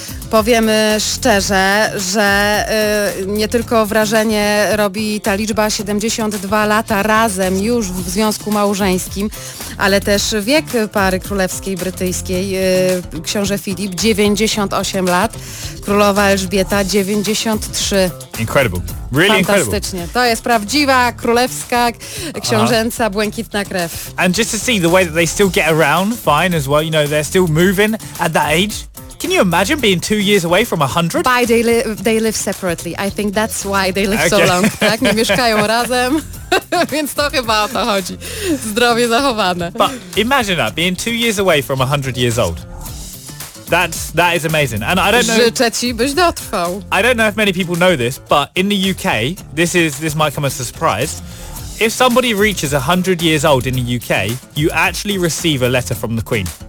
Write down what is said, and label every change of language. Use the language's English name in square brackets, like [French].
[Polish] Powiem szczerze, że nie tylko wrażenie robi ta liczba 72 lata razem już w związku małżeńskim, ale też wiek pary królewskiej brytyjskiej, książę Filip 98 lat, królowa Elżbieta 93. [English] Incredible. Really [Polish] fantastycznie. [English] Incredible. [Polish] To jest prawdziwa królewska książęca błękitna krew. [English] And just to see the way that they still get around fine as well, you know, they're still moving at that age. Can you imagine being 2 years away from 100? By they live separately. I think that's why they live okay. So long. [Polish] Tak? Nie mieszkają razem, więc to chyba o to chodzi. Zdrowie zachowane. [English] But imagine that, being 2 years away from 100 years old. That is amazing. And I don't know. [Polish] Życzę ci, byś dotrwał. [English] I don't know if many people know this, but in the UK, this might come as a surprise. If somebody reaches 100 years old in the UK, you actually receive a letter from the Queen.